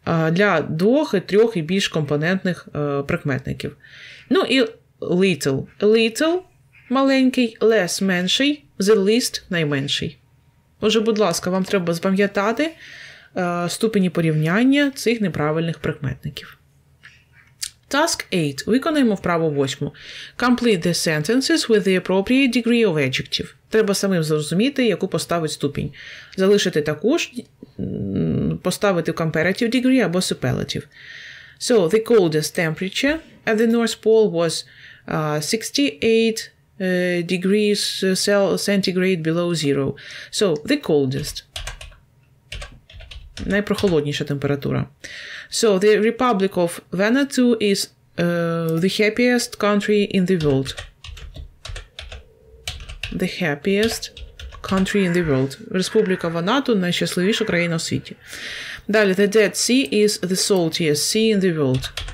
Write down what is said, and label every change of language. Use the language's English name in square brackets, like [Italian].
[Ukrainian] Для двох і трьох і більш компонентних прикметників. Ну і little. Little – маленький, less – менший, the least – найменший. Отже, будь ласка, вам треба запам'ятати ступені порівняння цих неправильних прикметників. [English] Task 8. [Ukrainian] Виконуємо вправу 8. [English] Complete the sentences with the appropriate degree of adjective. [Ukrainian] Треба самим зрозуміти, яку поставить ступінь. Залишити таку ж, поставити в comparative degree або superlative. [English] So, the coldest temperature at the North Pole was 68 degrees centigrade below zero. So, the coldest. [Ukrainian] Найпрохолодніша температура. [English] So, the Republic of Veneto is the happiest country in the world. The happiest country in the world. [Ukrainian] Республіка Венето – найщасливіша країна в світі. Далі, [English] the Dead Sea is the saltiest sea in the world.